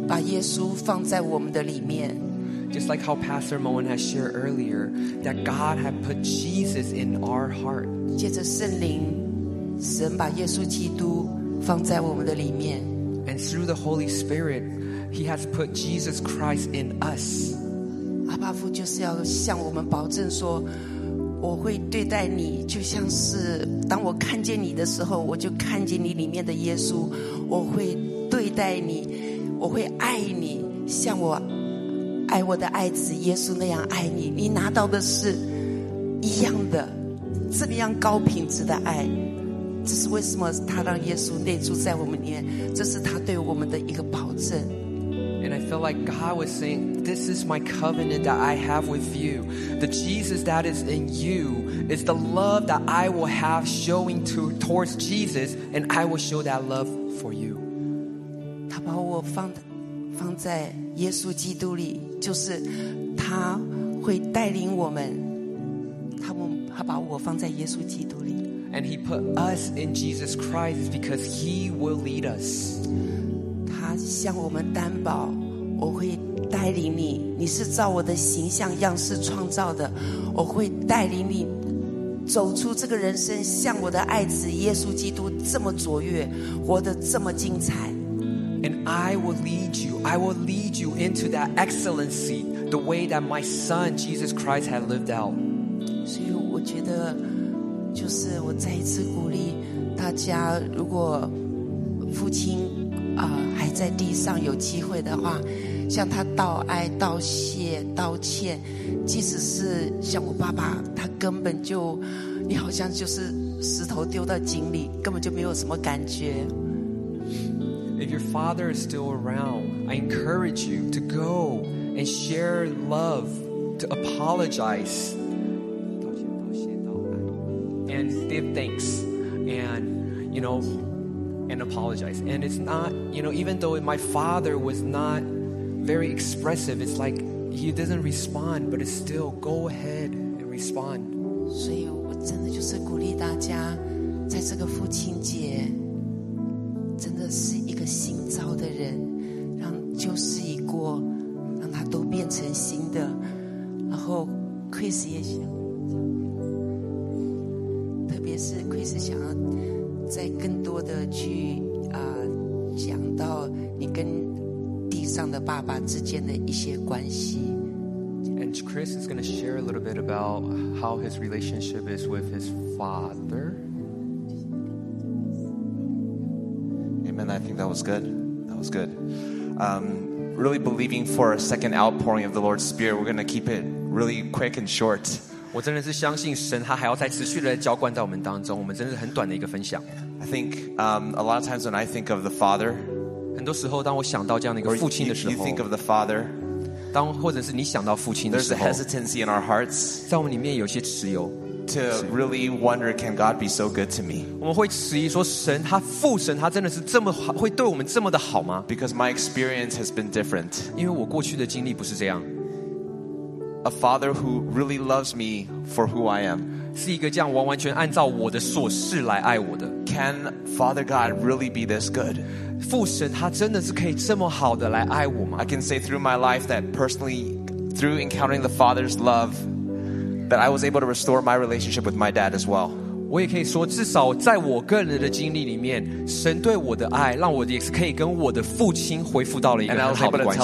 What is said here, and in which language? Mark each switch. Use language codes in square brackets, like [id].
[zh] 就像刚刚蒙恩牧师说的，就是神把耶稣放在我们的里面。 [en] Just like how Pastor Moen has shared earlier, that God had put Jesus in our heart. [zh] 借着圣灵, 神把耶稣基督放在我们的里面。 [en] And through the Holy Spirit, He has put Jesus Christ in us. [zh] 阿爸父就是要向我们保证说, 我会对待你就像是当我看见你的时候, 我就看见你里面的耶稣, 我会对待你, 我会爱你, 像我 爱我的爱子耶稣那样爱你，你拿到的是一样的，这么样高品质的爱。这是为什么他让耶稣内住在我们里面，这是他对我们的一个保证。 [en] And I feel like God was saying, this is my covenant that I have with you. The Jesus that is in you is the love that I will have showing towards Jesus, and I will show that love for you. [zh] 他把我放在耶稣基督里。就是他会带领我们，他把我放在耶稣基督里。 [en] And he put us in Jesus Christ because he will lead us. [zh] 他向我们担保，我会带领你，你是照我的形象样式创造的，我会带领你走出这个人生，像我的爱子耶稣基督这么卓越，活得这么精彩。 [en] And I will lead you. I will lead you into that excellency, the way that my son, Jesus Christ, had lived out. [zh] 所以我觉得，就是我再一次鼓励大家，如果父亲还在地上有机会的话，向他道爱、道谢、道歉。即使是像我爸爸，他根本就，你好像就是石头丢到井里，根本就没有什么感觉。 [en] If your father is still around, I encourage you to go and share love, to apologize, and give thanks, and you know, and apologize. And it's not, you know, even though my father was not very expressive, it's like he doesn't respond, but it's still go ahead and respond. [zh] 所以我真的就是鼓励大家，在这个父亲节，真的是一个新造的人，让旧事已过，让他都变成新的。然后 Chris 也想，特别是 Chris 想要再更多的去讲到你跟地上的爸爸之间的一些关系。 [en] And Chris is going to share a little bit about how his relationship is with his father. Amen. I think that was good. That was good. Really believing for a second outpouring of the Lord's Spirit. We're going to keep it really quick and short. [zh] 我真的是相信神，他还要再持续的浇灌在我们当中。我们真的是很短的一个分享。 [en] I think a lot of times when I think of the Father, [zh] 很多时候当我想到这样的一个父亲的时候 [en] you think of the Father. [zh] 当或者是你想到父亲的时候 [en] There's a hesitancy in our hearts [zh] 在我们里面有些迟疑 [en] To really wonder can God be so good to me [zh] 我们会迟疑说神他父神他真的是这么好会对我们这么的好吗 [en] Because my experience has been different [zh] 因为我过去的经历不是这样 [en] A father who really loves me for who I am [zh] 是一个这样完完全按照我的所事来爱我的 [en] Can Father God really be this good? [zh] 父神他真的是可以这么好的来爱我吗 [en] I can say through my life that personally through encountering the Father's love that I was able to restore my relationship with my dad as well [zh] 我也可以说至少在我个人的经历里面神对我的爱让我也是可以跟我的父亲恢复到了一个很好的关系